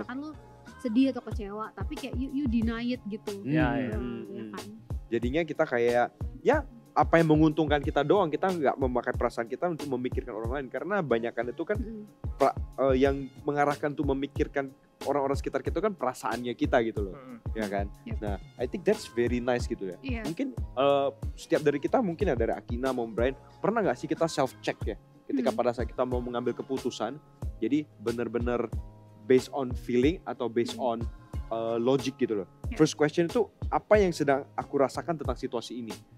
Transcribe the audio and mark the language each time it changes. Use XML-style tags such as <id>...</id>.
<id>Misalkan lu sedih atau kecewa, tapi kayak</id> <en>you deny it</en> <id>gitu. Iya, kan? Jadinya kita kayak, ya apa yang menguntungkan kita doang, kita nggak memakai perasaan kita untuk memikirkan orang lain, karena banyakan itu kan yang mengarahkan untuk memikirkan orang-orang sekitar kita kan perasaannya kita gitu loh, ya kan?</id> <en>Nah, I think that's very nice</en> <id>gitu ya. Mungkin setiap dari kita, mungkin ya dari Akina, Mom Brian, pernah nggak sih kita</id> <en>self check</en> <id>ya ketika pada saat kita mau mengambil keputusan, jadi benar-benar</id> <en>based on feeling</en> <id>atau</id> <en>based on logic</en> <id>gitu loh.</id> <en>First question</en> <id>itu apa yang sedang aku rasakan tentang situasi ini?</id>